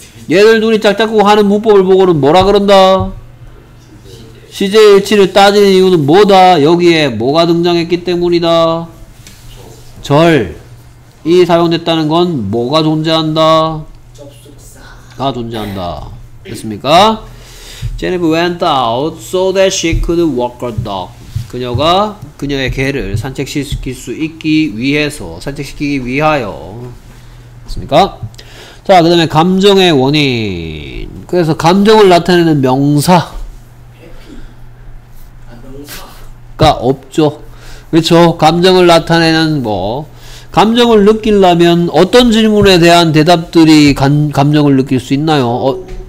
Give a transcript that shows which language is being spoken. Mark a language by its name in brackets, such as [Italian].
[Korean] 얘들 둘이 짝짝꿍 하는 문법을 보고는 뭐라 그런다? CJ일치를 따지는 이유는 뭐다? 여기에 뭐가 등장했기 때문이다? 절이 사용됐다는 건 뭐가 존재한다? 접속사가 존재한다. 됐습니까? [English] Jennifer went out so that she could walk her dog. [Korean] 그녀가 그녀의 개를 산책시킬 수 있기 위해서 산책시키기 위하여. 됐습니까? 자, 그 다음에 감정의 원인. 그래서 감정을 나타내는 명사. 가 없죠. 그렇죠. 감정을 나타내는 뭐 감정을 느끼려면 어떤 질문에 대한 대답들이 감정을 느낄 수 있나요?